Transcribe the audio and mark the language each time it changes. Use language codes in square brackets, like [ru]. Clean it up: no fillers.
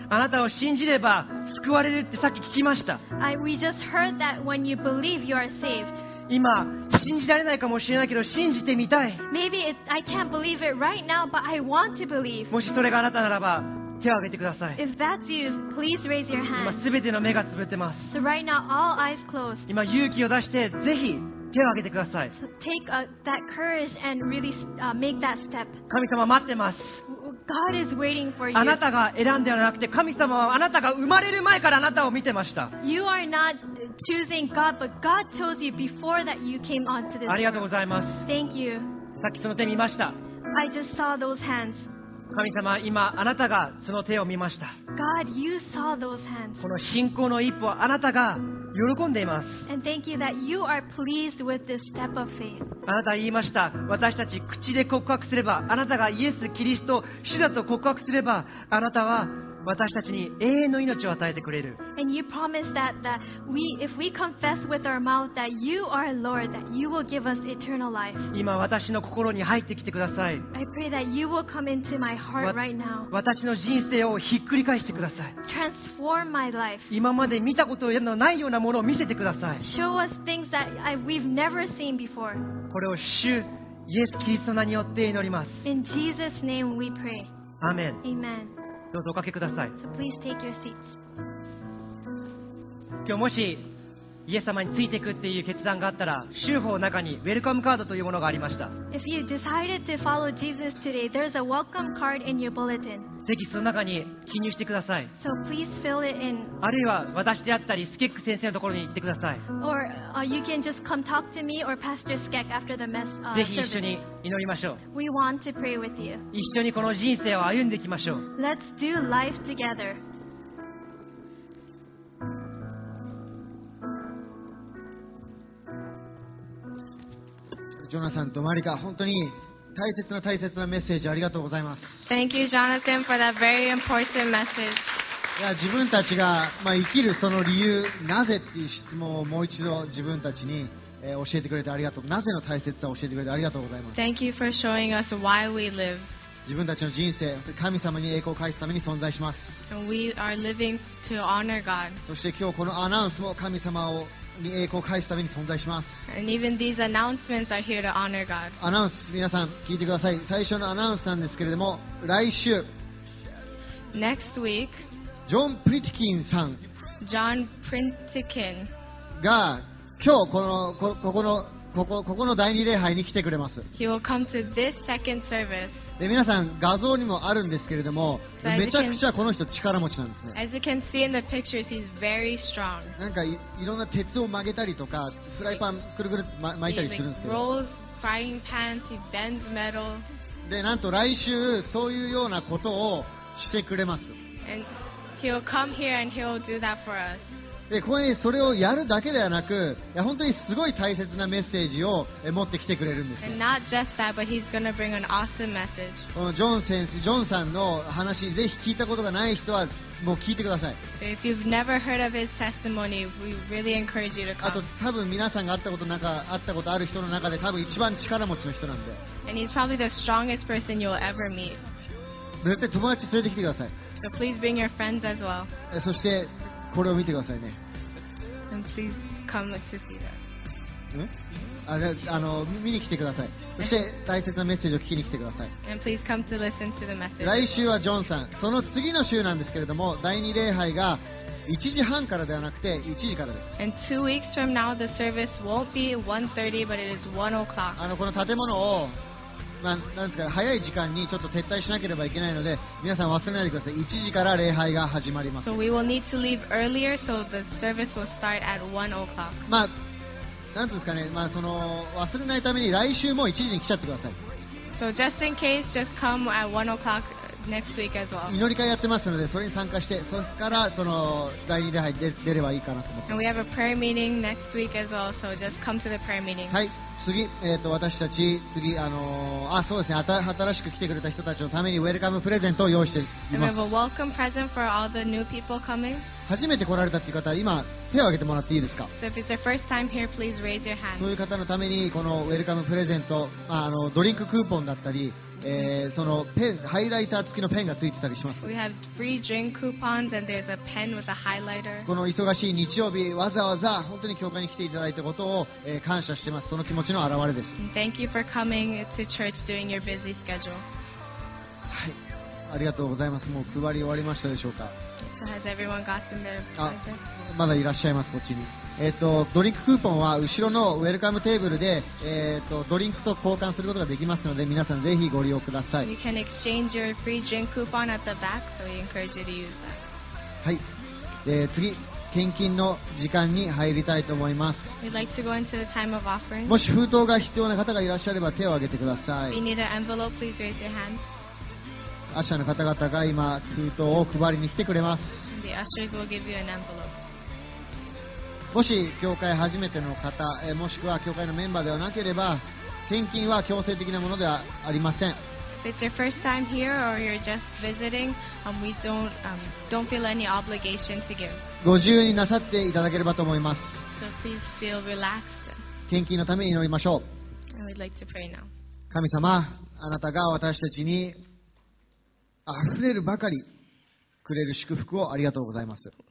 [ja] あなたを信じれば救われるってさっき聞きました。 [en] We just heard that when you believe, you are saved. [ja] 今信じられないかもしれないけど信じてみたい。 [en] Maybe I can't believe it right now, but I want to believe. [ja] もしそれがあなたならば手を挙げてください。 [en] If that's you, please raise your hand. [ja] 今すべての目がつぶってます。 [en] So right now, all eyes closed. [ja] 今勇気を出してぜひ手を挙げてください。 [en] So take that courage and really make that step. [ja] 神様、待ってます。 [en] God is waiting for you. [ja] あなたが選んではなくて、神様はあなたが生まれる前からあなたを見てました。 [en] You are not choosing God, but God chose you before that you came onto this earth. [ja] ありがとうございます。 [en] Thank you. [ja] さっきその手見ました。 [en] I just saw those hands. [ja] 神様、今あなたがその手を見ました。 [en] God, you saw those hands. [ja] この信仰の一歩はあなたが喜んでいます。 [en] And thank you that you are pleased with this step of faith. [ja] あなたは言いました。私たち口で告白すれば、あなたがイエス・キリスト主だと告白すれば、あなたは私たちに永遠の命を与えてくれる。 [en] And you promise that, that we, if we confess with our mouth that you are Lord, that you will give us eternal life. [ja] 今私の心に入ってきてください。 [en] I pray that you will come into my heart right now. [ja] 私の人生をひっくり返してください。 [en] Transform my life. [ja] 今まで見たことのないようなものを見せてください。 [en] Show us things that we've never seen before. [ja] これを主イエス・キリストの名によって祈ります。 [en] In Jesus' name we pray. [ja] アーメン。 [en] Amen. [ja] どうぞおかけください。 [en] So、please take your seats. [ja] 今日もしイエス様についていくっていう決断があったら、週報の中にウェルカムカードというものがありました。 [en] If you decided to follow Jesus today, there's a welcome card in your bulletin. [ja] ぜひその中に記入してください。 [en] So、please fill it in. [ja] あるいは私であったりスケック先生のところに行ってください。 [en] Or you can just come talk to me or Pastor Skek after the mess. [ja] ぜひ一緒に祈りましょう。 [en] We want to pray with you. [ja] 一緒にこの人生を歩んでいきましょう。 [en] Let's do life together. [ja] ジョナサンとマリカ、本当に大切な大切なメッセージありがとうございます。 [en] Thank you, Jonathan, for that very important message. [ja] いや、自分たちが、まあ、生きるその理由、なぜっていう質問をもう一度自分たちに、教えてくれてありがとう。なぜの大切さを教えてくれてありがとうございます。 [en] Thank you for showing us why we live. [ja] 自分たちの人生、神様に栄光を返すために存在します。 [en] And we are living to honor God. [ja] そして今日このアナウンスも神様をに栄光を返すために存在します。 [en] And even these announcements are here to honor God. [ja] アナウンス、皆さん聞いてください。最初のアナウンスなんですけれども、来週 [en] Next week [ja] ジョン・プリティキンさん [en] John Printikin [ja] が今日このここの第二礼拝に来てくれます。 [en] He will come to this second service. [ja] で、皆さん画像にもあるんですけれども、めちゃくちゃこの人力持ちなんですね。 [en] As you can see in the pictures, he's very strong. [ja] なんか いろんな鉄を曲げたりとか、フライパンくるくる巻いたりするんですけど、 [en] He rolls frying pans, he bends metal. [ja] で、なんと来週そういうようなことをしてくれます。 [en] And he'll come here and he'll do that for us. [ja] で、これそれをやるだけではなく、いや本当にすごい大切なメッセージを持ってきてくれるんですよ。 [en] Not just that, but he's gonna bring an awesome message. [ja] このジョンさんの話、ぜひ聞いたことがない人はもう聞いてください。 [en] So if you've never heard of his testimony, we really encourage you to come. [ja] あと多分皆さんが会ったことある人の中で多分一番力持ちの人なんで。 [en] And he's probably the strongest person you'll ever meet. [ja] 絶対友達連れてきてください。 [en] So please bring your friends as well. [ja] そしてこれを見てくださいね。 [en] And please come to see that. [ja] あの見に来てください。そして大切なメッセージを聞きに来てください。 [en] And please come to listen to the message. [ja] 来週はジョンさん。その次の週なんですけれども、第二礼拝が1時半からではなくて1時からです。 [en] And two weeks from now, the service won't be 1:30, but it is 1:00. [ja] あのこの建物をまあ、なんですか、早い時間にちょっと撤退しなければいけないので、皆さん忘れないでください。 1時から礼拝が始まります。 [en] So we will need to leave earlier, so the service will start at 1:00. [ja] まあ、なんですかね、まあ、その忘れないために来週も1時に来ちゃってください。 [en] So just in case, just come at 1:00 next week as well. [ja] 祈り会やってますので、それに参加して、そこからその第2礼拝で出ればいいかなと思います。 [en] And we have a prayer meeting next week as well, so just come to the prayer meeting. [ja] はい、次、私たち次、そうですね、新しく来てくれた人たちのためにウェルカムプレゼントを用意しています。 [en] We have a welcome present for all the new people coming. [ja] 初めて来られたという方、今手を挙げてもらっていいですか。 [en] So if it's your first time here, please raise your hand. [ja] そういう方のためにこのウェルカムプレゼント、まあ、あのドリンククーポンだったり、そのペン、ハイライター付きのペンが付いてたりします。 [en] We have free drink coupons and there's a pen with a highlighter. [ja] この忙しい日曜日、わざわざ本当に教会に来ていただいたことを、感謝しています。その気持ちの表れです。 [en] Thank you for coming to church during your busy schedule. [ja] はい、ありがとうございます。もう配り終わりましたでしょうか。 [en] So has everyone gotten their present? [ja] まだいらっしゃいます、こっちに。ドリンククーポンは後ろのウェルカムテーブルで、ドリンクと交換することができますので、皆さんぜひご利用ください。 [en] You can exchange your free drink coupon at the back, so we encourage you to use that. [ja] はい、次、献金の時間に入りたいと思います。 [en] We'd like to go into the time of offering. [ja] もし封筒が必要な方がいらっしゃれば手を挙げてください。 [en] If you need an envelope, please raise your hand. [ja] アッシャーの方々が今封筒を配りに来てくれます。 [en] The ushers will give you an envelope. [ja] もし教会初めての方、もしくは教会のメンバーではなければ、献金は強制的なものではありません。 [en] if it's your first time here or you're just visiting, we don't feel any obligation to give. [ja] ご自由になさっていただければと思います。 [en] So please feel relaxed. [ja] 献金のために祈りましょう。 [en] And we'd like to pray now. [ja] 神様、あなたが私たちに溢れるばかりくれる祝福をありがとうございます。